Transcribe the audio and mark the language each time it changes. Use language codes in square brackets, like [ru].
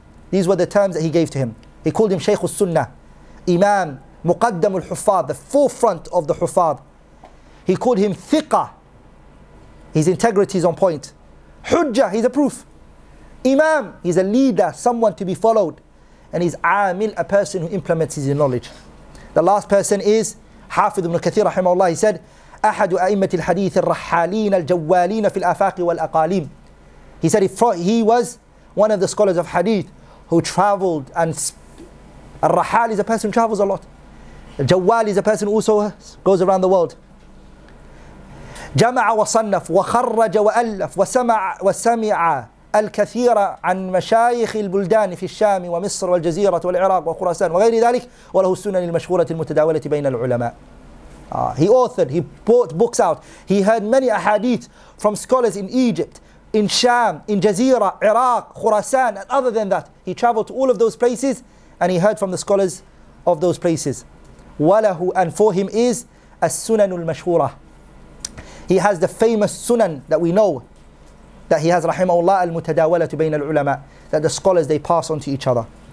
[en] These were the terms that he gave to him. He called him Shaykh al-Sunnah, Imam, Muqaddam al-Huffaz, the forefront of the Huffaz. He called him Thiqa. His integrity is on point. Hujjah, he's a proof. Imam, he's a leader, someone to be followed. And he's Amil, a person who implements his knowledge. The last person is Hafidh ibn Kathir, rahimahullah. He said, [ar] أحد أئمة الحديث الرحالين الجوالين في الآفاق والأقاليم. [en] He said he was one of the scholars of hadith who traveled and Al-Rahal is a person who travels a lot. Al-Jawwal is a person who also goes around the world. [ar] جمع وصنف وخرج وألف وسمع الكثير عن مشايخ البلدان في الشام ومصر والجزيرة والعراق وخراسان وغير ذلك وله السنن المشهورة المتداولة بين العلماء. [en] He authored, he brought books out. He heard many ahadith from scholars in Egypt, in Sham, in Jazeera, Iraq, Khurasan, and other than that. He traveled to all of those places and he heard from the scholars of those places. Walahu, and for him is As-Sunanul Mashhura. He has the famous Sunan that we know, that he has rahimahullah [ar] al-mutadawalatu bayna al-ulama, [en] that the scholars, they pass on to each other.